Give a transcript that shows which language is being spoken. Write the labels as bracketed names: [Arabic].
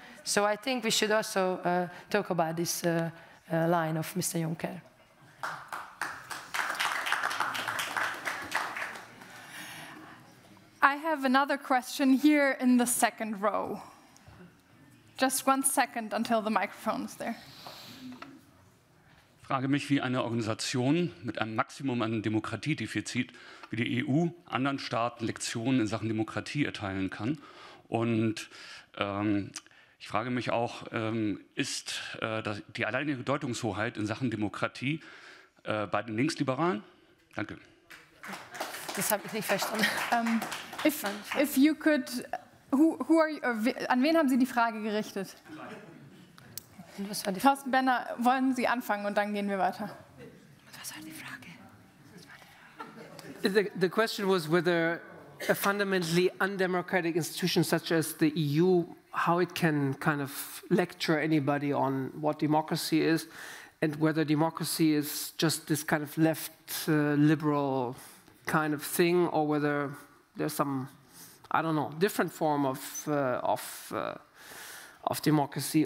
[English] So I think we should also talk about this line of Mr. Juncker. I have another question here in the second row. Just 1 second until the microphone is there. [German] Frage mich, wie eine Organisation mit einem Maximum an Demokratiedefizit wie die EU anderen Staaten Lektionen in Sachen Demokratie erteilen kann. Und ich frage mich auch, ist die alleinige Deutungshoheit in Sachen Demokratie bei den Linksliberalen? Danke. Das habe ich nicht verstanden. [English] If you could, who are you, [German] an wen haben Sie die Frage gerichtet? Thorsten Benner, wollen Sie anfangen und dann gehen wir weiter. Was war die Frage? [English] The question was whether a fundamentally undemocratic institution such as the EU, how it can kind of lecture anybody on what democracy is, and whether democracy is just this kind of left liberal kind of thing, or whether there's some, I don't know, different form of democracy.